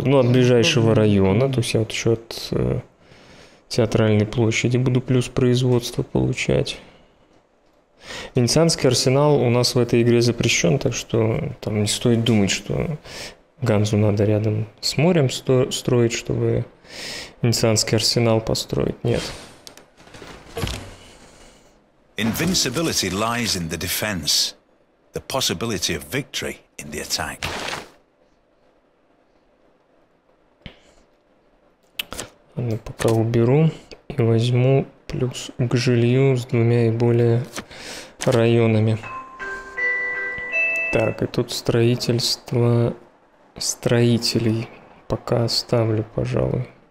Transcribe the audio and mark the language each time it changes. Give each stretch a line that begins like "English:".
Russian: Ну, от ближайшего района, то есть я вот еще от... Театральной площади буду плюс производство получать. Венецианский арсенал у нас в этой игре запрещен, так что там не стоит думать, что Ганзу надо рядом с морем строить, чтобы Венецианский арсенал построить. Нет.
English: Invincibility lies in the defense. The possibility of victory in the attack.
Russian: Ладно, пока уберу и возьму плюс к жилью с двумя и более районами. Так, и тут строительство строителей пока оставлю, пожалуй.